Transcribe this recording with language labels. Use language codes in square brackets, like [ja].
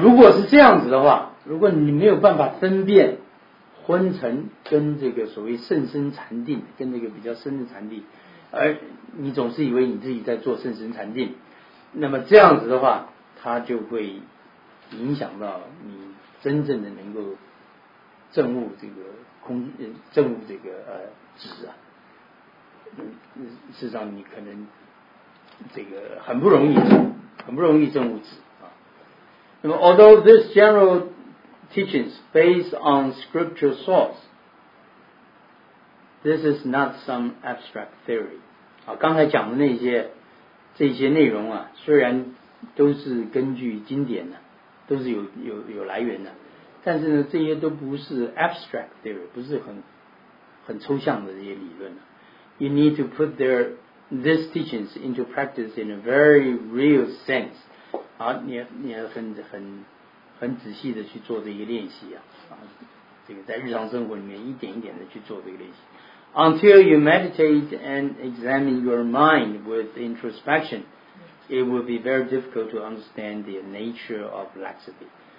[zh] 如果是这样子的话，如果你没有办法分辨昏沉跟这个所谓甚深禅定，跟这个比较深的禅定，而你总是以为你自己在做甚深禅定，那么这样子的话，它就会影响到你真正的能够证悟这个空，证悟这个止啊。事实上，你可能这个很不容易证悟止啊。 [en] 那么 ，although this general teachings based on scripture source, this is not some abstract theory. [zh] 啊，刚才讲的这些内容啊，虽然都是根据经典的。都是有来源的，但是呢，这些都不是 [en] abstract theory， [zh] 不是很抽象的这些理论。 [en] You need to put these teachings into practice in a very real sense。 [zh] 啊，你要很仔细的去做这些练习啊，这个在日常生活里面一点一点的去做这个练习。 [en] Until you meditate and examine your mind with introspection。 It will be very difficult to understand the nature of laxity.